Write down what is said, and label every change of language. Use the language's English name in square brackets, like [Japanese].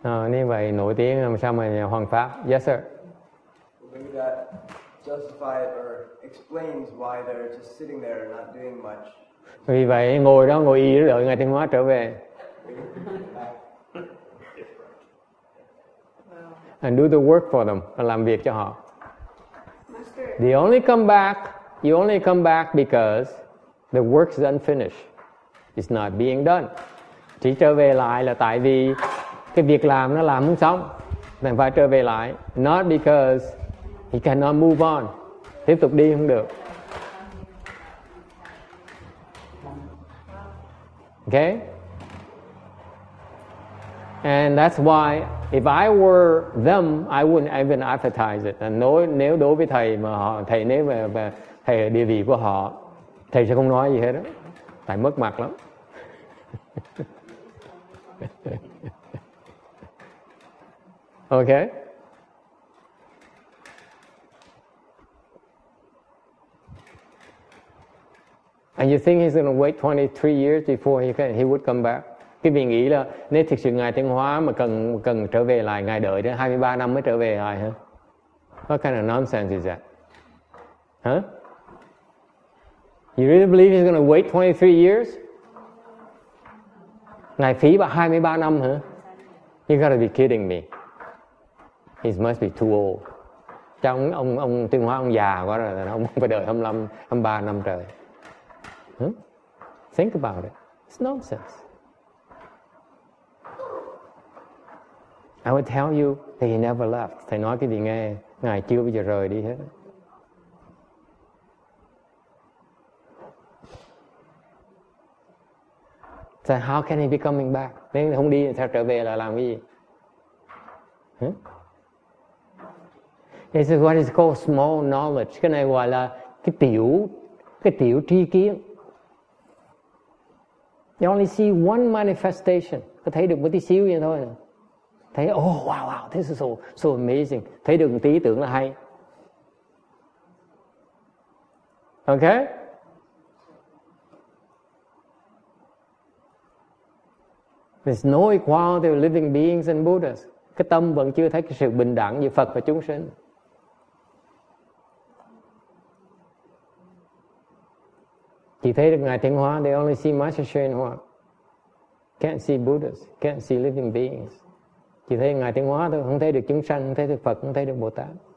[Vietnamese] Như vậy nổi tiếng làm sao mà hoàng pháp? [English] Yes, sir. Maybe that justifies or explains why they're just sitting there and not doing much. [Vietnamese] Vì vậy ngồi đó ngồi y đợi Ngài Thiên Hóa trở về. [English] And do the work for them, [Vietnamese] làm việc cho họ. [English] Master, you only come back because the work's unfinished. It's not being done. [Vietnamese] Chỉ trở về lại là tại vì cái việc làm nó làm không xong. Nên phải trở về lại. [English] Not because he cannot move on. [Vietnamese] Tiếp tục đi không được. [English] Okay? And that's why if I were them, I wouldn't even advertise it. [Vietnamese] And nếu đối với thầy mà họ, thầy nếu mà thầy ở địa vị của họ, thầy sẽ không nói gì hết đó, tại mất mặt lắm. [English] Okay. And you think he's going to wait 23 years before he would come back? [Vietnamese] Cái vị nghĩ là nếu thực sự Ngài Thiên Hóa mà cần trở về lại, Ngài đợi đến 23 năm mới trở về lại hả? [English] What kind of nonsense is that? Huh? You really believe he's going to wait 23 years? [Vietnamese] Ngài phí bao 23 năm hả? [English] You got to be kidding me. He must be too old. [Vietnamese] Chắc ông Tuyên Hóa ông già quá rồi, ông phải đợi 23 năm trời. [English] Think about it. It's nonsense. I would tell you that he never left. [Vietnamese] Thầy nói cái gì nghe, Ngài chưa bao giờ rời đi hết. [English] So how can he be coming back? [Vietnamese] Nếu không đi thì sao trở về là làm cái gì? [English] This is what is called small knowledge. [Vietnamese] Cái này gọi là cái tiểu tri kiến. [English] You only see one manifestation. [Vietnamese] Có thấy được một tí xíu vậy thôi. Thấy, [English] oh wow, this is so amazing. [Vietnamese] Thấy được một tí tưởng là hay. [English] Okay? There's no equality of living beings and Buddhas. [Vietnamese] Cái tâm vẫn chưa thấy cái sự bình đẳng như Phật và chúng sinh. Chỉ thấy được Ngài Thiên Hóa, [English] they only see Master Thiên Hóa. Can't see Buddhas, can't see living beings. [Vietnamese] Chỉ thấy Ngài Thiên Hóa thôi, không thấy được chúng sanh, không thấy được Phật, không thấy được Bồ Tát.